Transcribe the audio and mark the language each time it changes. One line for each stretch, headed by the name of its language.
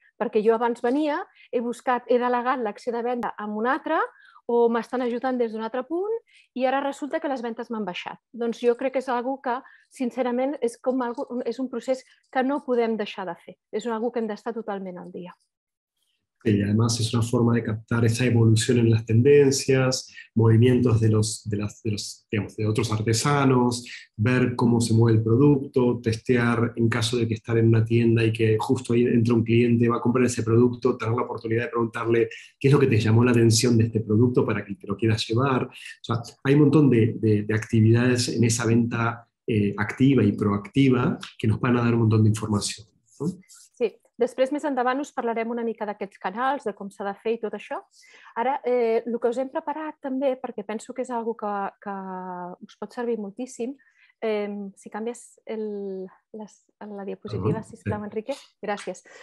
Catalan: Perquè jo abans venia, he delegat l'acció de venda amb un altre o m'estan ajudant des d'un altre punt i ara resulta que les ventes m'han baixat. Doncs jo crec que és algo que, sincerament, és un procés que no podem deixar de fer. És una cosa que hem d'estar totalment al dia.
Spanish: Sí, y además es una forma de captar esa evolución en las tendencias, movimientos de otros artesanos, ver cómo se mueve el producto, testear en caso de que estar en una tienda y que justo ahí entra un cliente, va a comprar ese producto, tener la oportunidad de preguntarle qué es lo que te llamó la atención de este producto para que te lo quieras llevar. O sea, hay un montón de actividades en esa venta activa y proactiva que nos van a dar un montón de información, ¿no?
Catalan: Després, més endavant, us parlarem una mica d'aquests canals, de com s'ha de fer i tot això. Ara, el que us hem preparat també, perquè penso que és algo que us pot servir moltíssim, si canvies la diapositiva, sisplau, Enrique. Gràcies.